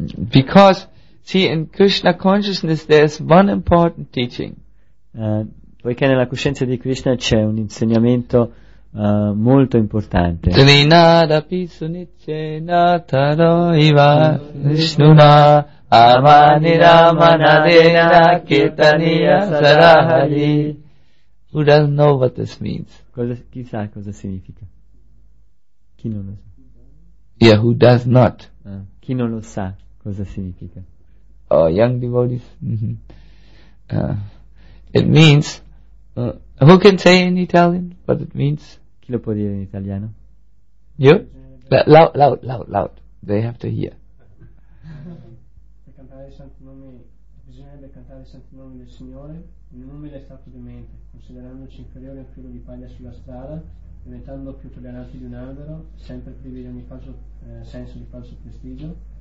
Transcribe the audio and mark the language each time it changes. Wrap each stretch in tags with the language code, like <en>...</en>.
<en>Because, see, in Krishna consciousness there is one important teaching.</en> <it>Poiché nella coscienza di Krishna c'è un insegnamento molto importante.</it> <sa>Trinadapi sunice nataro iva Vishnuna amani ramana dena kirtaniya sarahari.</sa> <en>Who doesn't know what this means?</en> <it>Chi sa cosa significa? Chi non lo sa?</it> <en>Yeah, who does not?</en> <it>Chi non lo sa? Cosa significa?</it> <en>Oh, young devotees. It means. Who can say in Italian what it means?</en> <it>Chi lo può dire in italiano?</it> <en>You? Loud. They have to hear.</en> <it>Cantare santo nome. Bisognerebbe cantare santo nome del Signore. Il nome è stato demente, considerandoci inferiore a un filo di paglia sulla strada, diventando più tolleranti di un albero, sempre privi di ogni falso senso di falso prestigio.</it>